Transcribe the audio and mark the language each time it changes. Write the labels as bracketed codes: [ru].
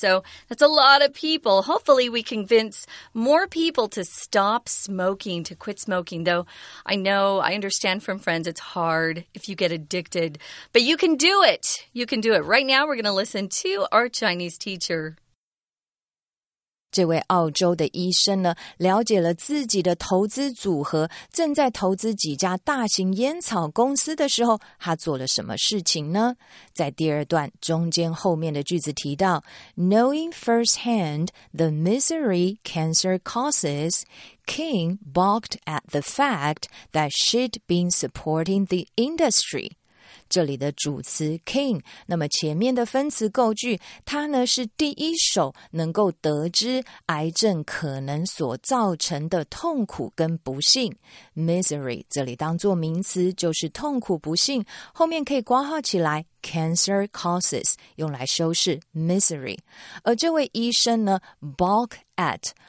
[en] So that's a lot of people. Hopefully, we convince more people to stop smoking, to quit smoking. Though I know, I understand from friends, it's hard if you get addicted. But you can do it. You can do it. Right now, we're going to listen to our Chinese teacher. [zh] 这位澳洲的医生呢，了解了自己的投资组合正在投资几家大型烟草公司的时候，他做了什么事情呢？在第二段中间后面的句子提到 [en] ，Knowing firsthand the misery cancer causes, King balked at the fact that she'd been supporting the industry. [zh] 这里的主词 King， 那么前面的分词构句，它呢是第一手能够得知癌症可能所造成的痛苦跟不幸。 Misery 这里当作名词就是痛苦不幸，后面可以括号起来 [en] Cancer causes， [zh] 用来修饰 misery。而这位医生呢 balk at